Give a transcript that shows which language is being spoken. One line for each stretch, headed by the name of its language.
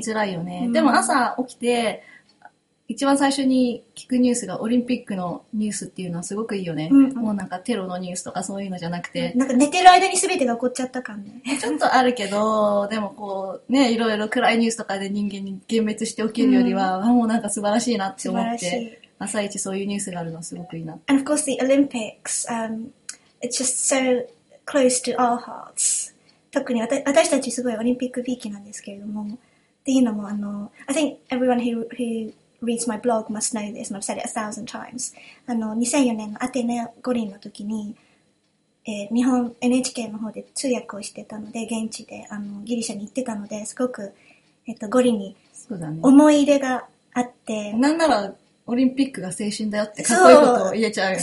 Japanese: ちょっと見づらいよね、うん、でも朝起きて一番最初に聞くニュースがオリンピックのニュースっていうのはすごくいいよね、うん、もうなんかテロのニュースとかそういうのじゃなくて、うん、なんか寝てる間に全てが起こっちゃった感ねちょっとあるけどでもこうねいろいろ暗いニュースとかで人間に幻滅して起きるよりは、うん、もうなんか素晴らしいなって思って素晴らしい朝一そういうニュースがあるのはすごくいいな
English: And of course the Olympics、It's just so close to our hearts.
Japanese: 特に私たちすごいオリンピックフィーキなんですけれども。っていうのも、
English: I think everyone who reads my blog must know this, and I've said it 1,000 times.
Japanese: 2004年のアテネ五輪の時に、日本 NHK の方で通訳をしてたので、現地でギリシャに行ってたので、すごく、五輪に思い入れがあって。ね、なんなら、オリンピックが青春だよってかっこいいことを言えちゃうよね。